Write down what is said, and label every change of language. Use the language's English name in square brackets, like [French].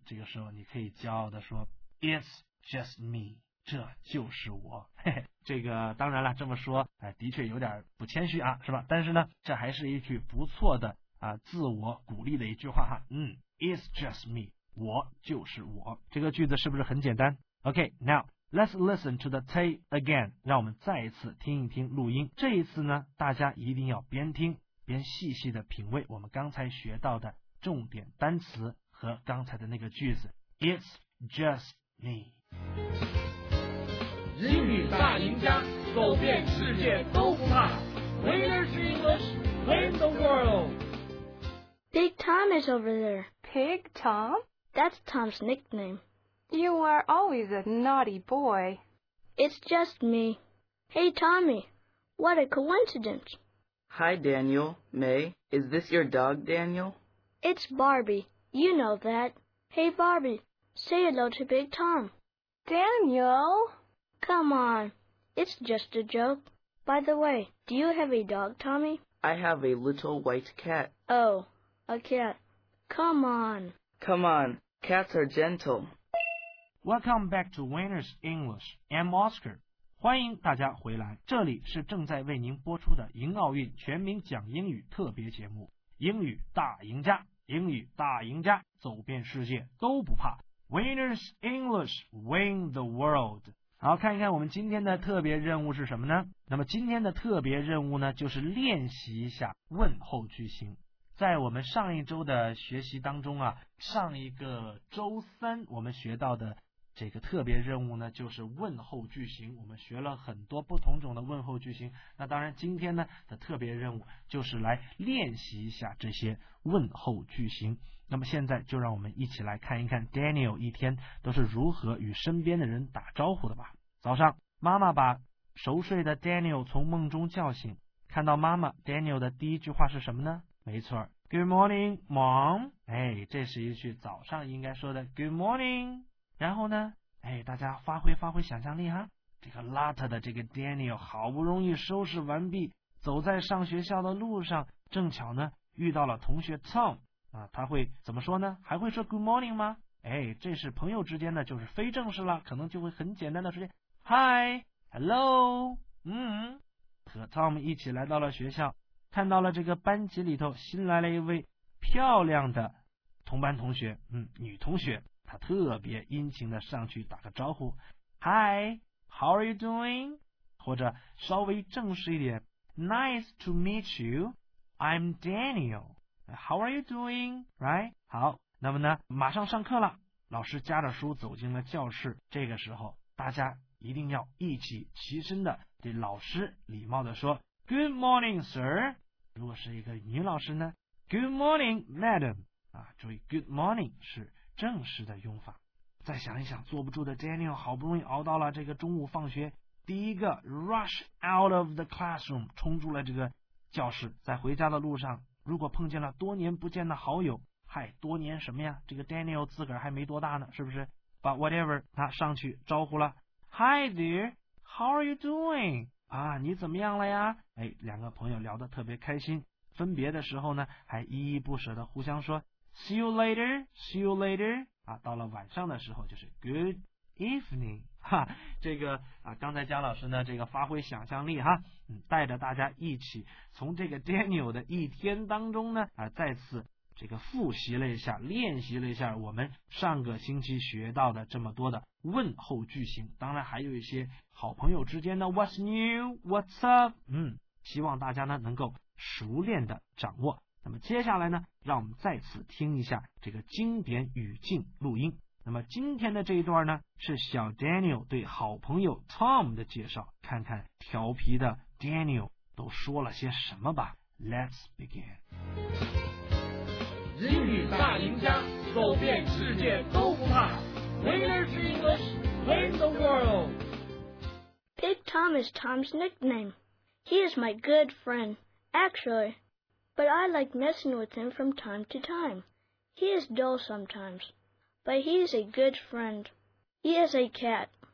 [Chinese] 这个时候，你可以骄傲地说 ， [English] It's just me， [Chinese] 这就是我。嘿嘿，这个当然了，这么说，的确有点不谦虚啊，是吧？但是呢，这还是一句不错的啊，自我鼓励的一句话哈。 [English] It's just me。 [Chinese] 我就是我，这个句子是不是很简单？ [English] OK, now let's listen to the tape again， [Chinese] 让我们再一次听一听录音。这一次呢，大家一定要边听边细细的品味我们刚才学到的重点单词和刚才的那个句子。 [English] It's just me。 [Chinese] 英语大赢家，走遍世界都不怕。 [English] Winners English, win the world。 Big Tom is over there. Big Tom? That's Tom's nickname. You are always a naughty boy. It's just me. Hey, Tommy. What a coincidence. Hi, Daniel. May, is this your dog, Daniel? It's Barbie. You know that. Hey, Barbie. Say hello to Big Tom. Daniel? Come on. It's just a joke. By the way, do you have a dog, Tommy? I have a little white cat. Oh, a cat. Come on. Come on, cats are gentle. Welcome back to Winners English. I'm Oscar. [Chinese] 欢迎大家回来，这里是正在为您播出的迎奥运全民讲英语特别节目，英语大赢家，英语大赢家，走遍世界都不怕。 [English] Winners English, win the world. [Chinese] 好，看一看我们今天的特别任务是什么呢？那么今天的特别任务呢，就是练习一下问候句型。在我们上一周的学习当中啊，上一个周三我们学到的这个特别任务呢，就是问候句型。我们学了很多不同种的问候句型，那当然今天呢的特别任务就是来练习一下这些问候句型。那么现在就让我们一起来看一看 Daniel 一天都是如何与身边的人打招呼的吧。早上妈妈把熟睡的 Daniel 从梦中叫醒，看到妈妈， Daniel 的第一句话是什么呢？没错， [English] Good morning, Mom。 [Chinese] 哎，这是一句早上应该说的 Good morning。然后呢，哎，大家发挥发挥想象力哈，这个邋遢的这个 Daniel 好不容易收拾完毕，走在上学校的路上，正巧呢遇到了同学 Tom。啊，他会怎么说呢？还会说 good morning 吗？哎，这是朋友之间的，就是非正式了，可能就会很简单的说 hi, hello, 和 Tom 一起来到了学校，看到了这个班级里头新来了一位漂亮的同班同学，女同学，她特别殷勤的上去打个招呼 ， [English] Hi, how are you doing? [Chinese] 或者稍微正式一点 [English] ，Nice to meet you, I'm Daniel, how are you doing? Right? [Chinese] 好，那么呢，马上上课了，老师夹着书走进了教室，这个时候大家一定要一起齐声的对老师礼貌的说 ， [English] Good morning, sir. [Chinese] 如果是一个女老师呢 ， [English] Good morning, madam. [Chinese] 啊，注意 good morning 是正式的用法。再想一想，坐不住的 Daniel 好不容易熬到了这个中午放学，第一个 [English] rush out of the classroom [Chinese] 冲出了这个教室。在回家的路上，如果碰见了多年不见的好友，嗨，多年什么呀，这个 Daniel 自个儿还没多大呢，是不是？ [English] But whatever， [Chinese] 他上去招呼了， [English] Hi there， how are you doing？ [Chinese] 啊，你怎么样了呀？哎，两个朋友聊得特别开心，分别的时候呢，还依依不舍的互相说 ， [English] see you later, see you later。 [Chinese] 啊，到了晚上的时候就是 good evening。哈，这个啊，刚才姜老师呢，这个发挥想象力哈，带着大家一起从这个 Daniel 的一天当中呢，啊，再次这个复习了一下，练习了一下我们上个星期学到的这么多的问候句型，当然还有一些好朋友之间的 [English] What's new, What's up？ [Chinese] 希望大家呢能够熟练的掌握。那么接下来呢，让我们再次听一下这个经典语境录音。那么今天的这一段呢，是小 Daniel 对好朋友 Tom 的介绍，看看调皮的 Daniel 都说了些什么吧。 [English] Let's begin。 [Chinese] 英语大赢家，走遍世界都不怕。 [English] Winners English, win the world. Big Tom is Tom's nickname. He is my good friend. Actually, but I like messing with him from time to time. He is dull sometimes, but he is a good friend. He is a cat.